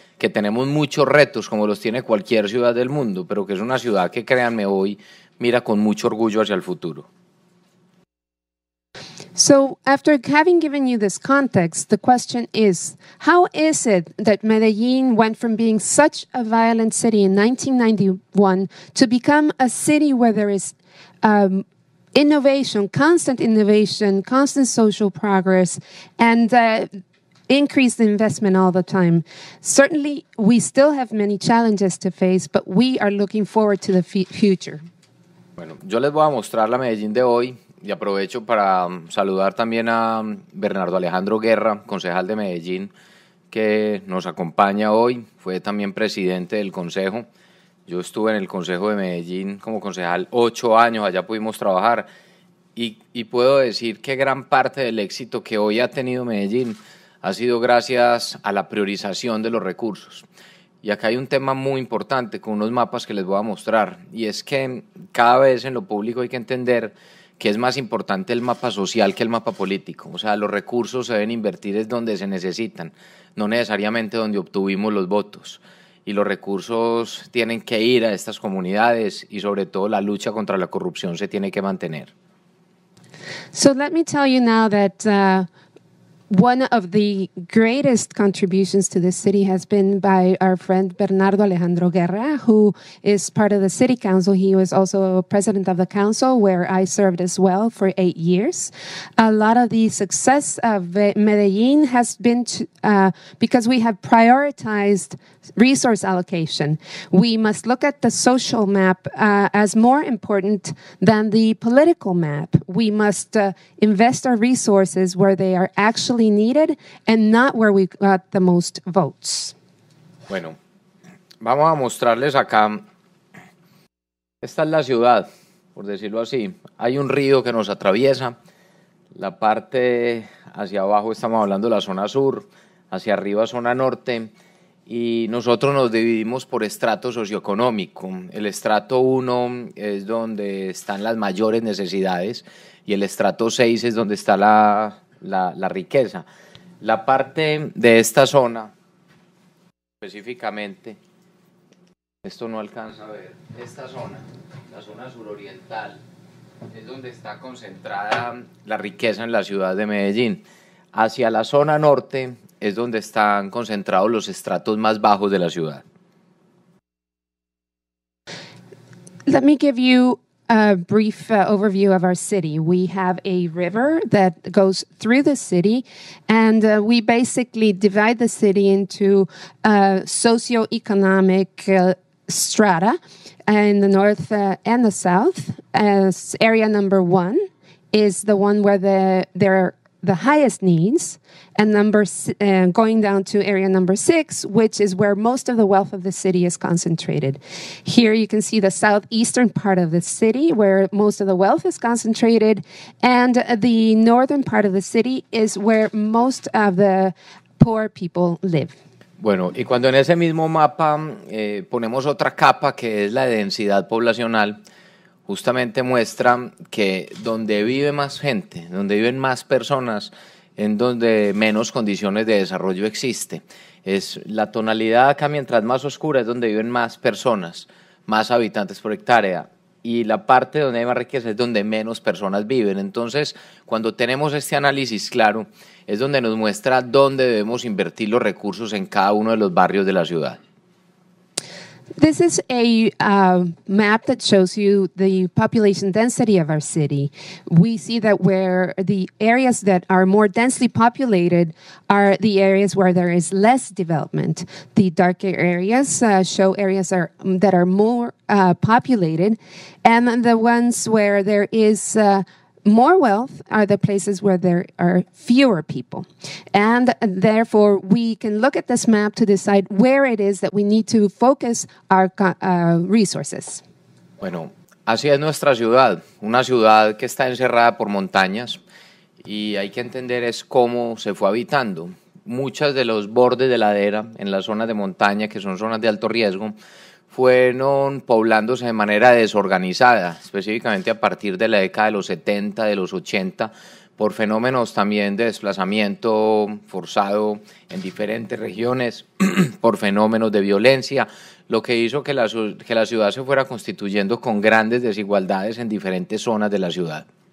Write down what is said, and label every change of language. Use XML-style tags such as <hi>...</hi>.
<es>Que tenemos muchos retos, como los tiene cualquier ciudad del mundo, pero que es una ciudad que, créanme, hoy mira con mucho orgullo hacia el futuro.</es> <en>So, after having given you this context, the question is, how is it that Medellín went from being such a violent city in 1991 to become a city where there is innovation, constant innovation, constant social progress, and increase the investment all the time? Certainly, we still have many challenges to face, but we are looking forward to the future.</en> <es>Bueno, yo les voy a mostrar la Medellín de hoy Y aprovecho para saludar también a Bernardo Alejandro Guerra, concejal de Medellín, que nos acompaña hoy. Fue también presidente del Consejo. Yo estuve en el Consejo de Medellín como concejal 8 años, allá pudimos trabajar. Y puedo decir que gran parte del éxito que hoy ha tenido Medellín ha sido gracias a la priorización de los recursos. Y acá hay un tema muy importante con unos mapas que les voy a mostrar, y es que cada vez en lo público hay que entender que es más importante el mapa social que el mapa político. O sea, los recursos se deben invertir es donde se necesitan, no necesariamente donde obtuvimos los votos. Y los recursos tienen que ir a estas comunidades y sobre todo la lucha contra la corrupción se tiene que mantener.</es> <en>So let me tell you now that one of the greatest contributions to the city has been by our friend Bernardo Alejandro Guerra, who is part of the city council. He was also president of the council, where I served as well for 8 years. A lot of the success of Medellin has been because we have prioritized resource allocation. We must look at the social map as more important than the political map. We must invest our resources where they are actually needed and not where we got the most votes.</en> <es>Bueno, vamos a mostrarles acá. Esta es la ciudad, por decirlo así. Hay un río que nos atraviesa. La parte hacia abajo estamos hablando de la zona sur, hacia arriba zona norte, y nosotros nos dividimos por estrato socioeconómico. El estrato 1 es donde están las mayores necesidades y el estrato 6 es donde está la riqueza. La parte de esta zona, específicamente, esto no alcanza a ver, esta zona, la zona suroriental, es donde está concentrada la riqueza en la ciudad de Medellín. Hacia la zona norte es donde están concentrados los estratos más bajos de la ciudad.</es> <en>Let me give you a brief overview of our city. We have a river that goes through the city, and we basically divide the city into socioeconomic strata in the north and the south. As area number one is the one where there are the highest needs, and going down to area number 6, which is where most of the wealth of the city is concentrated. Here you can see the southeastern part of the city where most of the wealth is concentrated, and the northern part of the city is where most of the poor people live.</en> <es>Bueno, y cuando en ese mismo mapa ponemos otra capa, que es la densidad poblacional, justamente muestra que donde vive más gente, donde viven más personas, en donde menos condiciones de desarrollo existe. Es la tonalidad acá, mientras más oscura, es donde viven más personas, más habitantes por hectárea. Y la parte donde hay más riqueza es donde menos personas viven. Entonces, cuando tenemos este análisis claro, es donde nos muestra dónde debemos invertir los recursos en cada uno de los barrios de la ciudad.</es> <en>This is a map that shows you the population density of our city. We see that where the areas that are more densely populated are the areas where there is less development. The darker areas show areas that are more populated, and the ones where there is more wealth are the places where there are fewer people. And therefore, we can look at this map to decide where it is that we need to focus our resources.</en> <es>Bueno, así es nuestra ciudad, una ciudad que está encerrada por montañas, y hay que entender es cómo se fue habitando. Muchas de los bordes de ladera en las zonas de montaña, que son zonas de alto riesgo, fueron poblándose de manera desorganizada, específicamente a partir de la década de los 70, de los 80, por fenómenos también de desplazamiento forzado en diferentes regiones, por fenómenos de violencia, lo que hizo que la ciudad se fuera constituyendo con grandes desigualdades en diferentes zonas de la ciudad.</es>